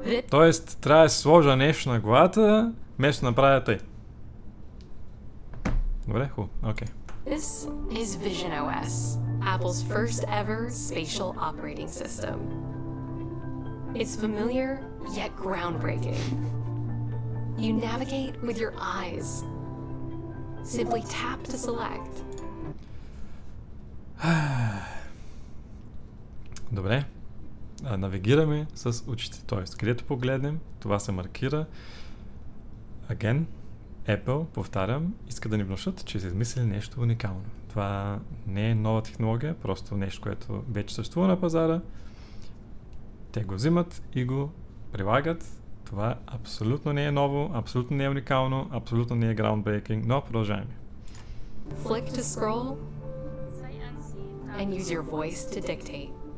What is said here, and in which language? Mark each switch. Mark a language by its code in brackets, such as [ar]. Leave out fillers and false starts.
[bg] Тоест, трябва да сложа нещо на главата, вместо направя тъй. Добре, хубаво, окей. [en] This is VisionOS, Apple's first ever spatial operating system. It's familiar, yet groundbreaking. You navigate with your eyes. Simply tap to select. [bg] Добре. Навигираме с очите, т.е. където погледнем, това се маркира. [en] Again. [bg] Apple, повтарям, иска да ни внушат, че са измислили нещо уникално. Това не е нова технология, просто нещо, което вече съществува на пазара. Те го взимат и го прилагат. Това абсолютно не е ново, абсолютно не е уникално, абсолютно не е groundbreaking, но продължаваме. [en] Flick to scroll and use your voice to dictate.